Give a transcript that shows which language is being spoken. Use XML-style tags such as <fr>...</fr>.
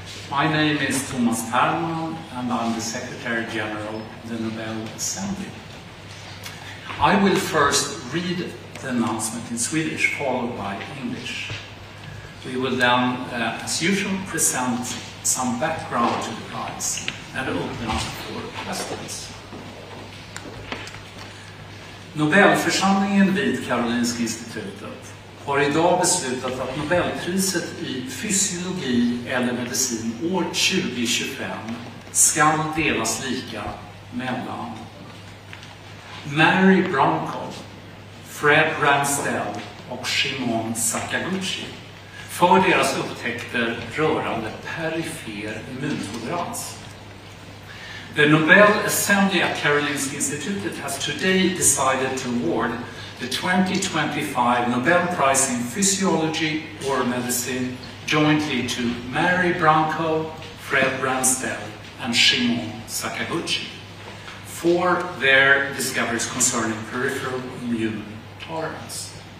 <en>My name is Thomas Perlman, and I'm the Secretary General of the Nobel Assembly. I will first read the announcement in Swedish, followed by English. We will then, as usual, present some background to the prize and open up for questions.</en> <sv>Nobelförsamlingen vid Karolinska institutet har idag beslutat att Nobelpriset i fysiologi eller medicin år 2025 ska delas lika mellan Mary Brankov, Fred Ramsdell och Shimon Sakaguchi för deras upptäckter rörande perifer immuntolerans.</sv> <en>The Nobel Assembly at Karolinska Institutet has today decided to award the 2025 Nobel Prize in Physiology or Medicine jointly to Mary Brankov, Fred Ramsdell, and Shimon Sakaguchi for their discoveries concerning peripheral immune tolerance.</en>